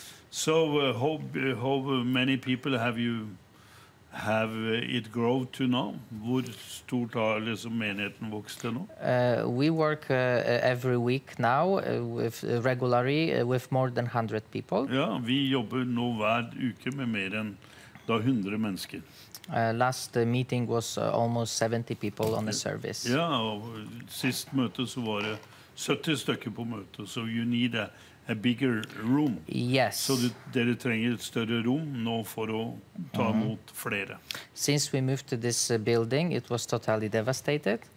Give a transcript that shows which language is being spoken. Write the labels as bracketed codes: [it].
[en] So how many people have it grown to now? [no] Hvor stort har liksom menigheten vokst til nå? [en] We work every week now with regularly with more than 100 people. [no] Ja, vi jobber nå hver uke med mer enn da 100 mennesker. [en] Last meeting was almost 70 people on the service. [no] Ja, og sist møte så var det 70 stykker på møte, [en] so you need a bigger room. Yes. [no] Så dere trenger et større rom nå for å ta imot flere. [en] Since we moved to this building, it was totally devastated.